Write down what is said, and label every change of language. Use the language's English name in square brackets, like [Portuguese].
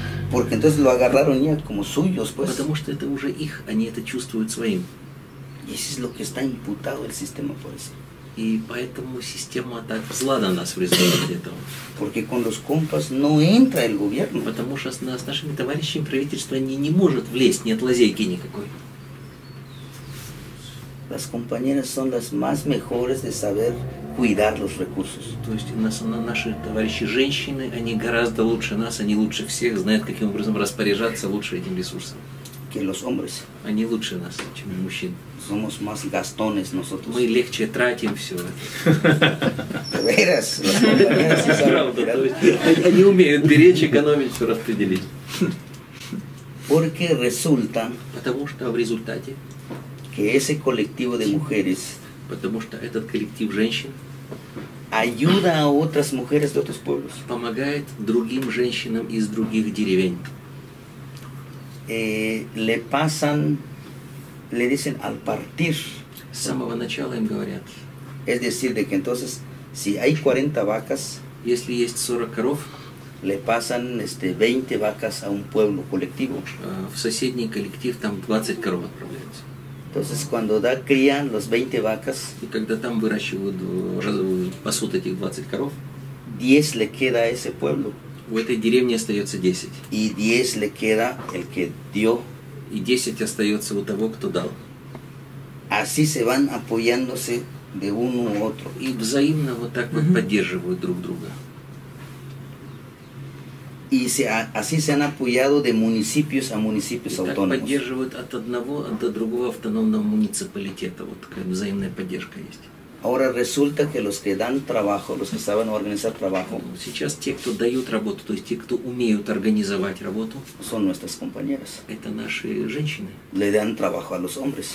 [Spanish] Porque entonces lo agarraron ya como suyos, pues. [Russian] Потому что это уже их, они это чувствуют своим. [Spanish] Y eso es lo que está imputado el sistema, por eso. [Russian] И поэтому система так зла на нас в результате этого. [Spanish] Porque con los compas no entra el gobierno. [Russian] Потому что с нашими товарищами правительство не может влезть, нет лазейки никакой. [Spanish] Las compañeras son las más mejores de saber cuidar los recursos. [Russian] То есть у нас наши товарищи женщины, они гораздо лучше нас, они лучше всех знают, каким образом распоряжаться лучше этим ресурсом. [Spanish] Que los hombres. [Russian] Они лучше нас, чем мужчин. [Spanish] Somos más gastones nosotros. [Russian] Мы легче тратим все. [Spanish] Veras. [Russian] Правда, то есть они умеют беречь, экономить, все распределить. [Spanish] Porque resulta. [Russian] Потому что в результате. [Spanish] Que ese colectivo de mujeres. [Russian] Потому что этот коллектив женщин [Spanish] ayuda a otras mujeres de otros pueblos. [Russian] Помогает другим женщинам из других деревень. [Spanish] Le pasan, le dicen al partir. [Russian] С самого начала им говорят. [Spanish] Es decir, de que entonces, si hay 40 vacas, [Russian] если есть 40 коров, [Spanish] le pasan 20 vacas a un pueblo colectivo. [Russian] В соседний коллектив там 20 коров отправляются. [Spanish] Entonces, cuando da crían los 20 vacas, [Russian] и когда там выращивают, пасут этих 20 коров, [Spanish] 10 le queda a ese pueblo. [Russian] У этой деревни остается 10. [Spanish] Y 10 le queda el que dio. [Russian] И 10 остается у того, кто дал. [Spanish] Así se van apoyándose de uno u otro. [Russian] И взаимно вот так вот поддерживают друг друга. [Spanish] Y así se han apoyado de municipios a municipios autónomos. [Russian] Так поддерживают от одного до другого автономного муниципалитета. Вот такая взаимная поддержка есть. [Spanish] Ahora resulta que los que dan trabajo, los que saben organizar trabajo, [Russian] сейчас те, кто дают работу, то есть те, кто умеют организовать работу, [Spanish] son nuestras compañeras. [Russian] Это наши женщины. [Spanish] Le dan trabajo a los hombres.